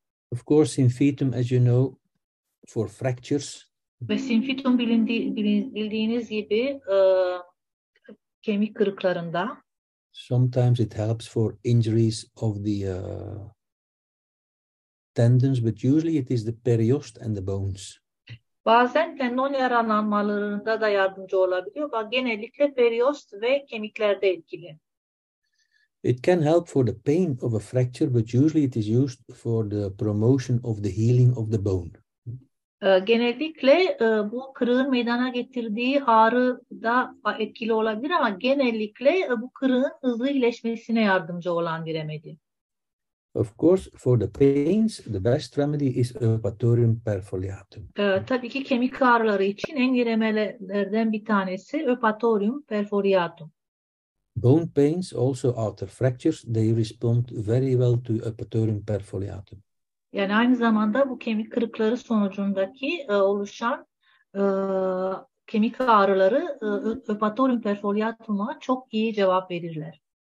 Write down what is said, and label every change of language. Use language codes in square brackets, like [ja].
[en] Of course, symphytum, as you know, for fractures. [tr] Ve symphytum bildiğiniz gibi kemik kırıklarında. [en] Sometimes it helps for injuries of the tendons, but usually it is the periost and the bones. [tr] Bazen tendon yaralanmalarında da yardımcı olabiliyor, ama genellikle periost ve kemiklerde etkili. [en] It can help for the pain of a fracture, but usually it is used for the promotion of the healing of the bone. [tr] Genellikle bu kırığın meydana getirdiği ağrı da etkili olabilir ama genellikle bu kırığın hızlı iyileşmesine yardımcı olan bir remedi. [en] Of course, for the pains, the best remedy is Eupatorium perfoliatum. [tr] Tabii ki kemik ağrıları için en iyi remedilerden bir tanesi Eupatorium perfoliatum. [en] Bone pains, also after fractures, they respond very well to Eupatorium perfoliatum. [tr] Yani aynı zamanda bu kemik kırıkları sonucundaki oluşan kemik ağrıları Eupatorium perfoliatum'a çok iyi cevap verirler.